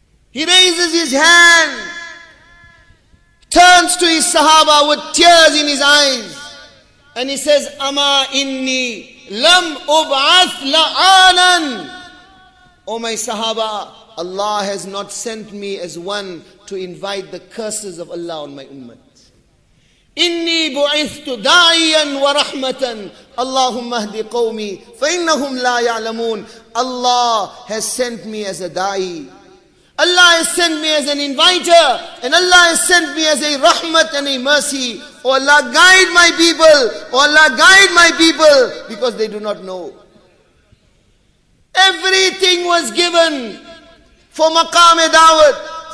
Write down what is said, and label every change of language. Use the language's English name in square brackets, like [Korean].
[English] He raises his hand, turns to his sahaba with tears in his eyes, and he says, [Arabic] Ama inni lam ub'ath la'anan. [English] O my sahaba, Allah has not sent me as one to invite the curses of Allah on my ummah. [Arabic] إني بعثت داعيا ورحمة اللهم اهد قومي فإنهم لا يعلمون. [English] Allah has sent me as a da'i. Allah has sent me as an inviter, and Allah has sent me as a rahmat and a mercy. Oh Allah, guide my people. Oh Allah, guide my people, because they do not know. Everything was given for Maqam-e Dawud.